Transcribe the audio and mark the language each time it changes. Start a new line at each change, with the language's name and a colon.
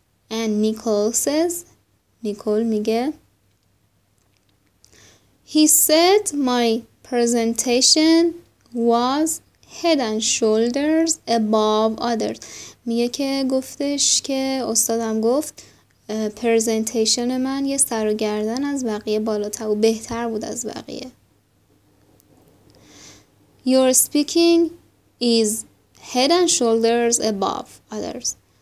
English: And Nicole says, Nicole
Persian: میگه,
English: He said my presentation was head and shoulders above others.
Persian: میگه که گفتش که استادم گفت پرزنتیشن من یه سر و گردن از بقیه بالاتر و بهتر بود از بقیه.
English: Your speaking is head and shoulders above others.